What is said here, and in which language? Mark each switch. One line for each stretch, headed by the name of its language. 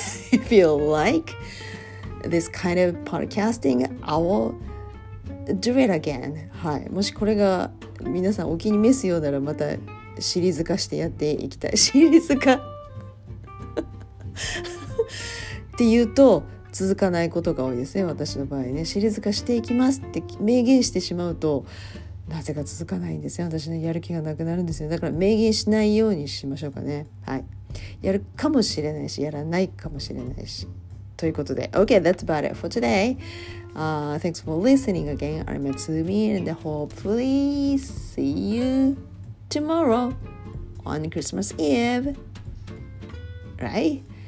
English: If you like this kind of podcasting, I will do it again.
Japanese: はい。もしこれが皆さんお気に召すようなら、またシリーズ化してやっていきたい。シリーズ化って言うと続かないことが多いですね、私の場合ね。シリーズ化していきますって明言してしまうとなぜか続かないんですよ、私のやる気がなくなるんですよ。だから明言しないようにしましょうかね、はい、やるかもしれないし、やらないかもしれないし、ということで
English: OK, that's about it for today. Thanks for listening again. I'm Matsumi and hopefully see you tomorrow on Christmas Eve, right?